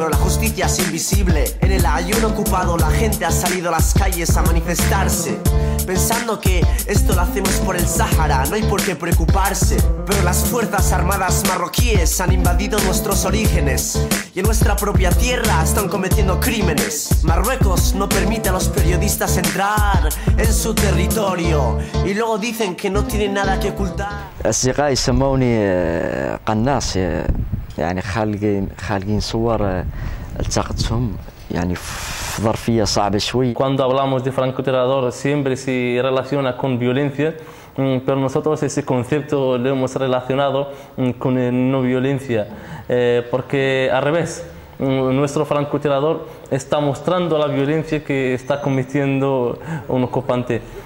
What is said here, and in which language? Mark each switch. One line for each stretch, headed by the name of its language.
Spanish: Pero la justicia es invisible. En el Aiún ocupado la gente ha salido a las calles a manifestarse, pensando que esto lo hacemos por el Sahara, no hay por qué preocuparse. Pero las fuerzas armadas marroquíes han invadido nuestros orígenes y en nuestra propia tierra están cometiendo crímenes. Marruecos no permite a los periodistas entrar en su territorio y luego dicen que no tienen nada que ocultar.
Arabic: أصدقائي سموني قناص, يعني خالقين صور التقطتهم يعني ظرفية صعبة شوي.
Spanish: Cuando hablamos de francotirador siempre se relaciona con violencia, pero nosotros ese concepto lo hemos relacionado con no violencia, porque al revés, nuestro francotirador está mostrando la violencia que está cometiendo un ocupante.